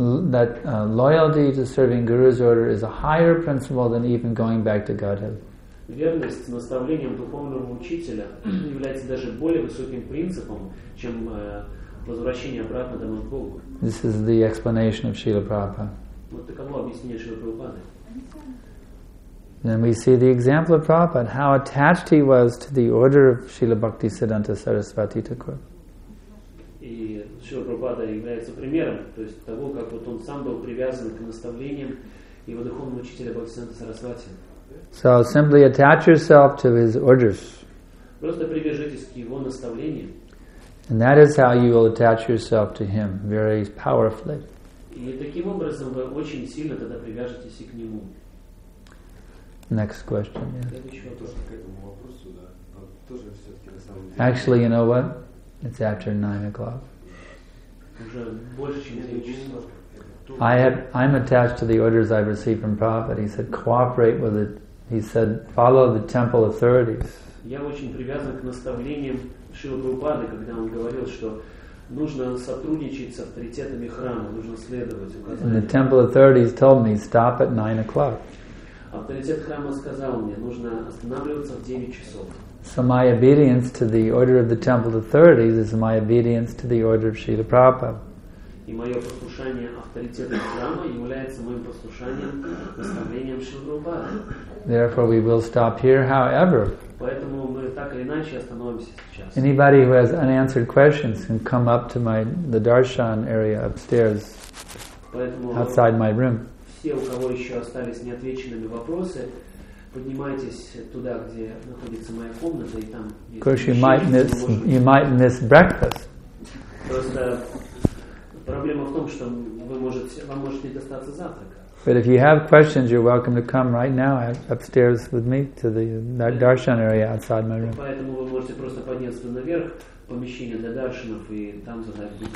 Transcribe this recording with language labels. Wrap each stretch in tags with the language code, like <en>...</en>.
<en>That loyalty to serving Guru's order is a higher principle than even going back to Godhead.</en> <ru>Верность наставлениям духовного учителя является даже более высоким принципом, чем возвращение обратно домой к Богу.</ru> <en>This is the explanation of Srila Prabhupada.</en> <ru>Вот таково объяснение Шрила Прабхупады.</ru> <en>Then we see the example of Prabhupada, how attached he was to the order of Srila Bhakti Siddhanta Sarasvati Thakur.</en> <ru>И Шрила Прабхупада является примером, то есть того, как вот он сам был привязан к наставлениям его духовного учителя Бхакти Сиддханта Сарасвати.</ru> <en>So simply attach yourself to his orders.</en> <ru>Просто привяжитесь к его наставлениям.</ru> <en>And that is how you will attach yourself to him very powerfully.</en> <ru>И таким образом вы очень сильно тогда привяжетесь и к нему.</ru> <en>Next question. Yeah.</en> <ru>Следующий вопрос к этому вопросу, да. Тоже все-таки на самом деле.</ru> <en>Actually, you know what? It's after 9 o'clock.</en> <ru>Уже больше чем 3 часа.</ru> <en>I'm attached to the orders I've received from Prabhupada. He said, cooperate with it. He said, follow the temple authorities.</en> <ru>Я очень привязан к наставлениям Шрилы Прабхупады, когда он говорил, что нужно сотрудничать с авторитетами храма, нужно следовать указаниям.</ru> <en>And the temple authorities told me, stop at 9 o'clock.</en> <ru>Авторитет храма сказал мне, нужно останавливаться в 9 часов.</ru> <en>So my obedience to the order of the temple authorities is my obedience to the order of Srila Prabhupada.</en> <ru>И мое послушание авторитета храма является моим послушанием наставлением Шрилы Прабхупады.</ru> <en>Therefore, we will stop here. However,</en> <ru>поэтому мы так или иначе остановимся сейчас.</ru> <en>Anybody who has unanswered questions can come up to the darshan area upstairs,</en> <ru>поэтому</ru> <en>outside my room.</en> <ru>Все, у кого еще остались неотвеченными вопросы, поднимайтесь туда, где находится моя комната, и там.</ru> <en>Of course, you might miss breakfast.</en> <ru>Просто проблема в том, что вам может не достаться завтрака.</ru> <en>But if you have questions, you're welcome to come right now upstairs with me to the darshan area outside my room.</en> <ru>Поэтому вы можете просто подняться наверх, помещение для даршанов, и там задать</ru>